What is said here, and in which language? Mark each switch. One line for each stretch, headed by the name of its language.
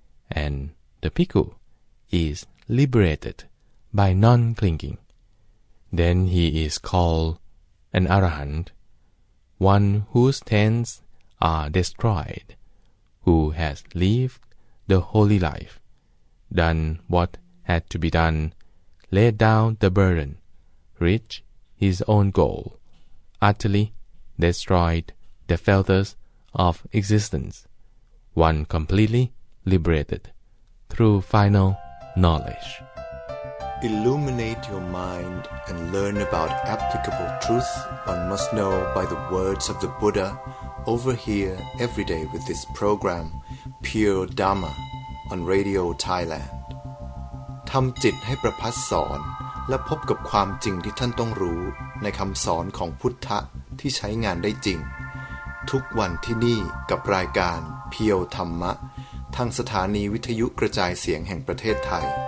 English: and the bhikkhu is liberated by non-clinging, then he is called an arahant, one whose tens are destroyed, who has lived the holy life, done what had to be done, laid down the burden, reached his own goal, utterly destroyed the filters of existence, one completely liberated through final knowledge. Illuminate your mind and learn about applicable truth one must know by the words of the Buddha over here every day with this program, Pure Dharma, on Radio Thailand.
Thai: ทำจิตให้ประพัสสอนและพบกับความจริงที่ท่านต้องรู้ในคำสอนของพุทธะที่ใช้งานได้จริงทุกวันที่นี่กับรายการเพียวธรรมะทางสถานีวิทยุกระจายเสียงแห่งประเทศไทย